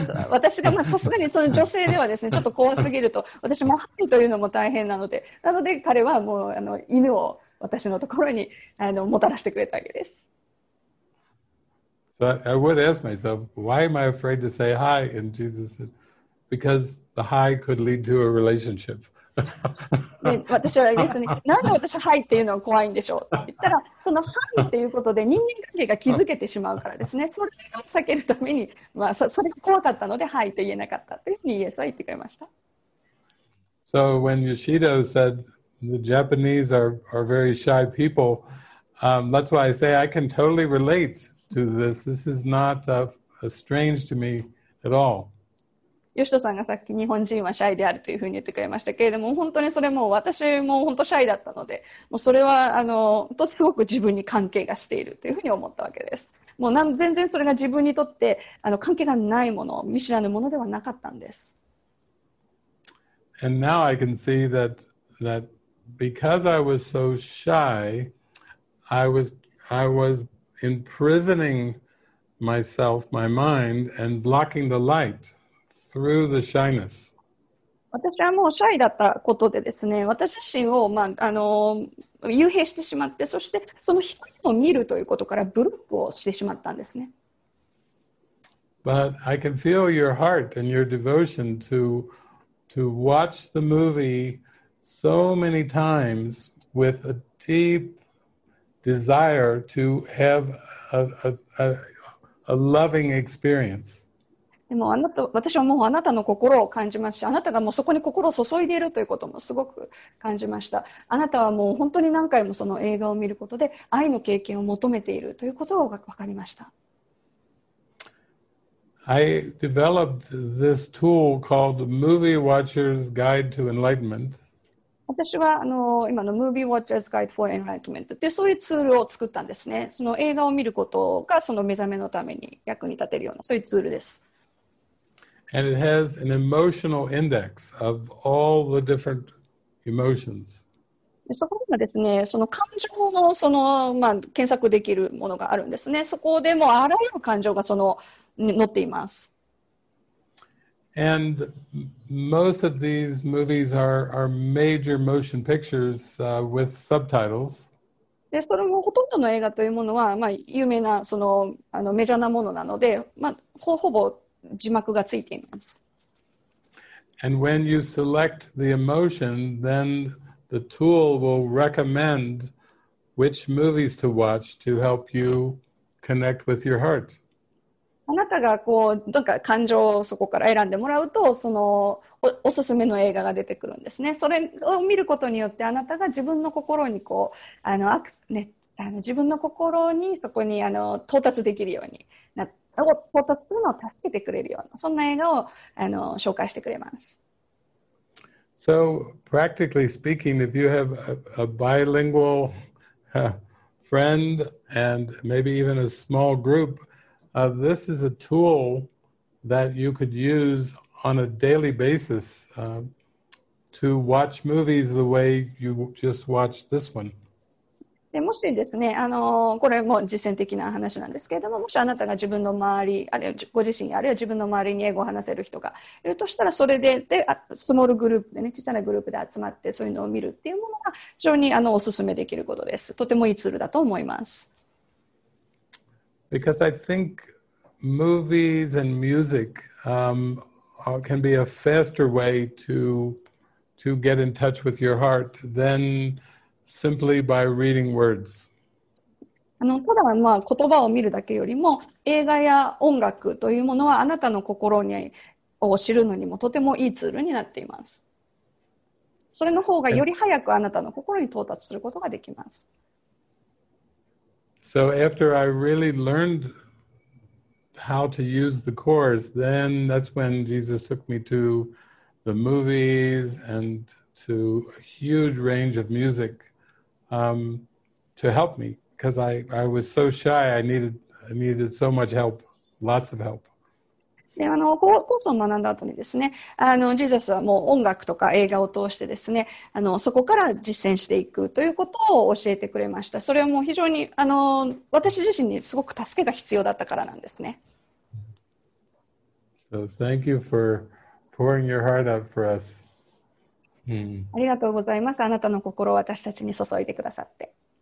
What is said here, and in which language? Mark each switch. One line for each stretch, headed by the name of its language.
Japanese: 私がさすがにその女性ではですね、ちょっと怖すぎると、私も犯人というのも大変なので、なので彼はもう犬を私のところにもたらしてくれたわけです。
English: So I would ask myself, why am I afraid to say hi? And Jesus said, because the hi could lead to a relationship.
Japanese: 私はですね、なんで私はいっていうのが怖いんでしょうと言ったら、そのはいっていうことで人間関係が気づけてしまうからですね、それを避けるために、それが怖かったので、はいと言えなかったというふうにイエスは言ってくれました。
English: So when Yoshido said the Japanese are very shy people, that's why I say I can totally relate to this. This is not a strange to me at all.
Japanese: 吉田さんがさっき日本人はシャイであるというふうに言ってくれましたけれども、本当にそれも私も本当シャイだったので、もうそれはとすごく自分に関係がしているというふうに思ったわけです。もう全然それが自分にとって関係がないもの、見知らぬものではなかったんです。
English: And now I can see that because I was so shy, I was imprisoning myself, my mind, and blocking the light through the shyness.
Japanese: 私はもうシャイだったことでですね、私自身を、まあ、幽閉してしまって、そしてその光を見るということからブロックをしてしまったんですね。
English: But I can feel your heart and your devotion to watch the movie so many times with a deep desire to have a loving experience.
Japanese: でもあなた、私はもうあなたの心を感じますし、あなたがもうそこに心を注いでいるということもすごく感じました。あなたはもう本当に何回もその映画を見ることで愛の経験を求めているということが分かりました。
English: I developed this tool called Movie Watcher's Guide to Enlightenment.
Japanese: 私は今のMovie Watcher's Guide for Enlightenment ってそういうツールを作ったんですね。その映画を見ることがその目覚めのために役に立てるようなそういうツールです。
English: And it has an emotional index of all the different emotions.
Japanese: そこにはですね、その感情のその、まあ、検索できるものがあるんですね。そこでもあらゆる感情がその載っています。
English: And most of these movies are major motion pictures with subtitles.
Japanese: で、それもほとんどの映画というものは、まあ、有名なそのメジャーなものなので、まあ、ほぼ字幕がついています。
English: And when you select the emotion, then the tool will recommend which movies to watch to help you connect with your heart.
Japanese: あなたがこうなんか感情をそこから選んでもらうとその おすすめの映画が出てくるんですね。それを見ることによってあなたが自分の心にこう自分の心にそこに到達できるようにな到達するのを助けてくれるようなそんな映画を紹介してくれます。
English: So practically speaking, if you have a bilingual friend and maybe even a small groupThis is a tool that you could use on a daily basis to watch movies the way you just watched this one.
Japanese: でもしですね、これも実践的な話なんですけれども、もしあなたが自分の周り、あるいはご自身、あるいは自分の周りに英語を話せる人がいるとしたら、それで、スモールグループでね、小さなグループで集まってそういうのを見るっていうものが非常にお勧めできることです。とてもいいツールだと思います。
English: Because I think movies and music can be a faster way to get in touch with your heart than simply by reading words.
Japanese: ただ、まあ、言葉を見るだけよりも映画や音楽というものはあなたの心にを知るのにもとてもいいツールになっています。それの方がより早くあなたの心に到達することができます。
English: So after I really learned how to use the course, then that's when Jesus took me to the movies and to a huge range of music to help me because I was so shy. I needed so much help, lots of help.
Japanese: でコースを学んだ後にですね、ジーザスはもう音楽とか映画を通してですね、そこから実践していくということを教えてくれました。それはもう非常に私自身にすごく助けが必要だったからなんですね。
English: So thank you for pouring your heart out for us.
Japanese: ありがとうございます。あなたの心を私たちに注いでくださって。